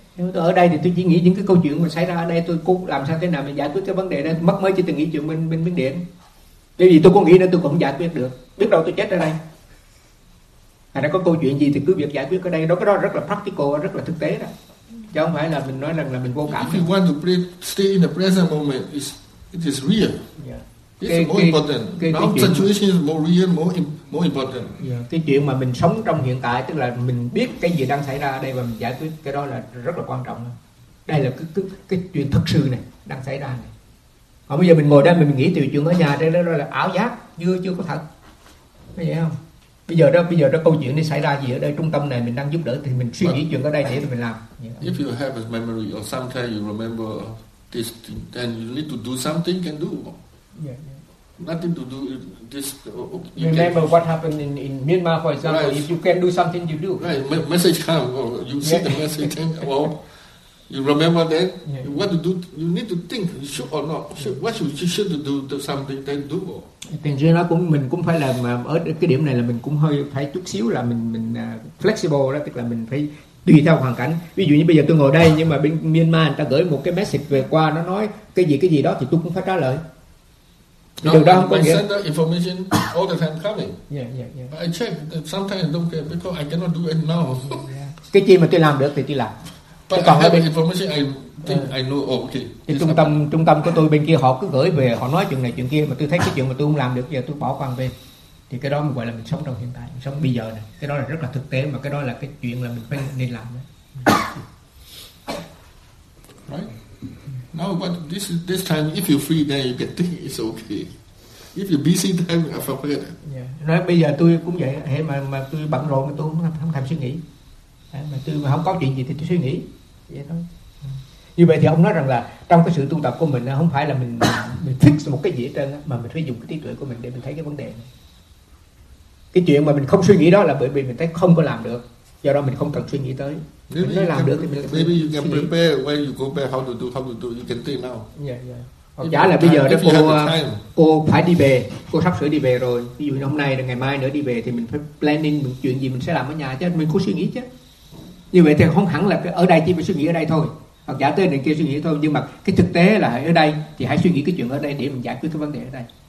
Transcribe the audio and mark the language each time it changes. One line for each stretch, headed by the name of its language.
Vietnamese: Tôi ở đây thì tôi chỉ nghĩ những cái câu chuyện mà xảy ra ở đây, tôi cũng làm sao thế nào mình giải quyết cái vấn đề này. Mất mới chỉ từng nghĩ chuyện bên biển điện. Bởi vì tôi có nghĩ nên tôi cũng giải quyết được. Biết đâu tôi chết ở đây. À, nó có câu chuyện gì thì cứ việc giải quyết ở đây, cái đó rất là practical, rất là thực tế đó, chứ không phải là mình nói rằng là mình vô cảm.
English: If you want to stay in the present moment, it is real. Yeah. It's more important. Now situation is more real, more important. Yeah.
Vietnamese: Cái chuyện mà mình sống trong hiện tại, tức là mình biết cái gì đang xảy ra ở đây và mình giải quyết, cái đó là rất là quan trọng. Đây là cái chuyện thực sự này đang xảy ra này. Còn bây giờ mình ngồi đây mình nghĩ từ chuyện ở nhà, đây đó là ảo giác, chưa có thật. Vậy không? Bây giờ đó câu chuyện nó xảy ra gì ở đây, trung tâm này mình đang giúp đỡ thì mình suy nghĩ chuyện ở đây để mình làm.
English: If you have a memory or sometimes you remember this thing, then you need to do something, can do. Yeah, yeah. Nothing to do this. You remember what happened in Myanmar, for example. Right. If you can do something, you do. Right. Message come. Or you see the message. Then, well, you remember that. Yeah. What to do? You need to think. You should or not? Should, what should you should do something? Then do.
Vietnamese: Tình duyên nó cũng mình cũng phải là ở cái điểm này là mình cũng hơi phải chút xíu là mình flexible đó, tức là mình phải tùy theo hoàn cảnh. Ví dụ như bây giờ tôi ngồi đây nhưng mà bên Myanmar người ta gửi một cái message về qua, nó nói cái gì đó thì tôi cũng phải trả lời. Điều đó không có nghĩa.
English: I send the information all the time coming. Yeah, yeah, yeah. I check that sometimes I don't care because I cannot do it now.
Vietnamese: Cái gì mà tôi làm được thì tôi làm.
English: But còn I have bên, information I think I know, oh, okay.
Vietnamese: Thì trung tâm của tôi bên kia họ cứ gửi về, họ nói chuyện này chuyện kia, mà tôi thấy cái chuyện mà tôi không làm được, giờ tôi bỏ qua bên. Thì cái đó mình gọi là mình sống trong hiện tại, mình sống bây giờ này. Cái đó là rất là thực tế, mà cái đó là cái chuyện là mình phải nên làm đấy.
English: Right? No, but this time, if you're free, then you can think it's okay. If you're busy, then I forget it. Yeah.
Vietnamese: Nói bây giờ tôi cũng vậy, hễ mà tôi bận rộn thì tôi không thèm suy nghĩ. Mà tôi mà không có chuyện gì thì tôi suy nghĩ. Vậy thôi. Như vậy thì ông nói rằng là trong cái sự tu tập của mình không phải là mình fix một cái gì hết trơn, mà mình phải dùng cái trí tuệ của mình để mình thấy cái vấn đề này. Cái chuyện mà mình không suy nghĩ đó là bởi vì mình thấy không có làm được, do đó mình không cần suy nghĩ tới.
English: Maybe
Vietnamese: mình làm được thì mình
English: maybe you can prepare when you go back how to do you can think now.
Vietnamese: Yeah, yeah. Giả là bây giờ đó cô phải đi về, cô sắp sửa đi về rồi, ví dụ như hôm nay rồi ngày mai nữa đi về, thì mình phải planning một chuyện gì mình sẽ làm ở nhà chứ, mình có suy nghĩ chứ. Như vậy thì không hẳn là ở đây chỉ phải suy nghĩ ở đây thôi, hoặc giả tới này kia suy nghĩ thôi, nhưng mà cái thực tế là ở đây thì hãy suy nghĩ cái chuyện ở đây để mình giải quyết cái vấn đề ở đây.